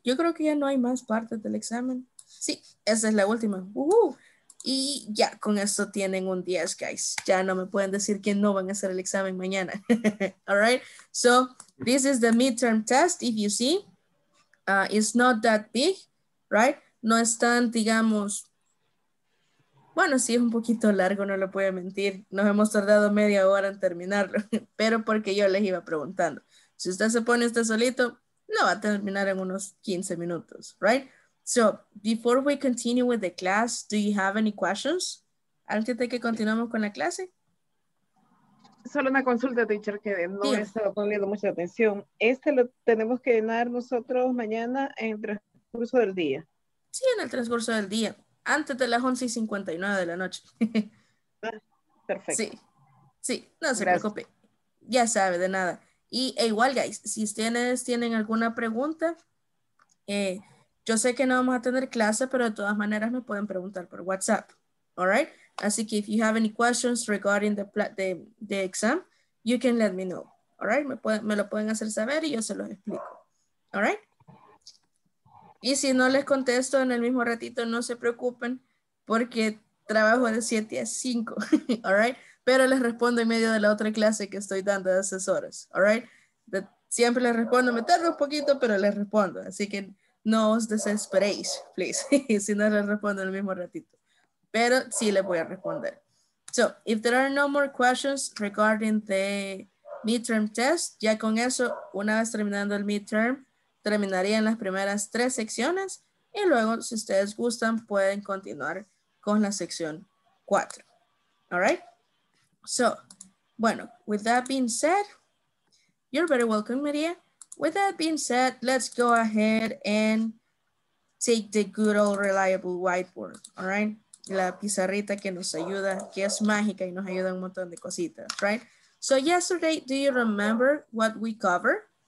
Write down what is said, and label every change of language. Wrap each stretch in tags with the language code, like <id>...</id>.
<es>Yo creo que ya no hay más partes del examen. Sí, esa es la última. Woohoo! Y ya con esto tienen un 10, guys. Ya no me pueden decir que no van a hacer el examen mañana.</es> <en>All right. So this is the midterm test. If you see, it's not that big, right?</en> <es>No es tan, digamos, bueno, sí es un poquito largo, no lo voy a mentir. Nos hemos tardado media hora en terminarlo, pero porque yo les iba preguntando. Si usted se pone este solito, no va a terminar en unos 15 minutos, right?</es> <en>So, before we continue with the class, do you have any questions?</en> <es>Antes de que continuemos con la clase. Solo una consulta, teacher, que no he estado poniendo mucha atención. Este lo tenemos que llenar nosotros mañana en el transcurso del día. Sí, en el transcurso del día. Antes de las 11:59 de la noche. Perfecto. Sí, sí, no se preocupe. Ya sabe, de nada. Y igual, guys, si ustedes tienen alguna pregunta, yo sé que no vamos a tener clase, pero de todas maneras me pueden preguntar por WhatsApp.</es> <en>All right?</en> <es>Así que</es> <en>if you have any questions regarding the exam, you can let me know. All right?</en> <es>Me lo pueden hacer saber y yo se los explico.</es> <en>All right?</en> <es>Y si no les contesto en el mismo ratito, no se preocupen porque trabajo de 7 a 5.</es> <en>All right?</en> <es>Pero les respondo en medio de la otra clase que estoy dando de asesores.</es> <en>All right?</en> <es>Siempre les respondo, me tardo un poquito, pero les respondo. Así que no os desesperéis, please. Si no les respondo en el mismo ratito. Pero sí les voy a responder.</es> <en>So, if there are no more questions regarding the midterm test,</en> <es>ya con eso, una vez terminando el midterm, terminarían las primeras tres secciones. Y luego, si ustedes gustan, pueden continuar con la sección 4.</es> <en>All right? So, bueno, with that being said, you're very welcome, Maria. With that being said, let's go ahead and take the good old reliable whiteboard, all right?</en> <es>La pizarrita que nos ayuda, que es mágica y nos ayuda un montón de cositas, right?</es> <en>So yesterday, do you remember what we covered?</en>